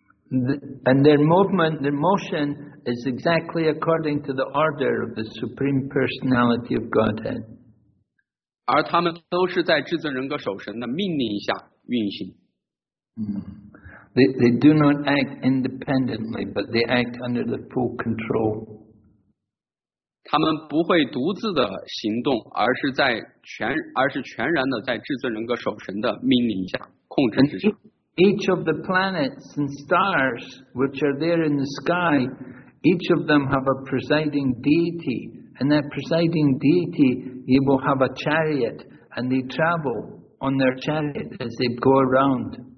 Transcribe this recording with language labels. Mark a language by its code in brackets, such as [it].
[en] And their movement, their motion is exactly according to the order of the Supreme Personality of Godhead. [zh] 而他们都是在至尊人格守神的命令下运行。 [en] They do not act independently, but they act under the full control. [zh] 他们不会独自的行动，而是全然的在至尊人格守神的命令下控制之下。 [en] Each of the planets and stars which are there in the sky, each of them have a presiding deity. And that presiding deity, he will have a chariot, and they travel on their chariot as they go around.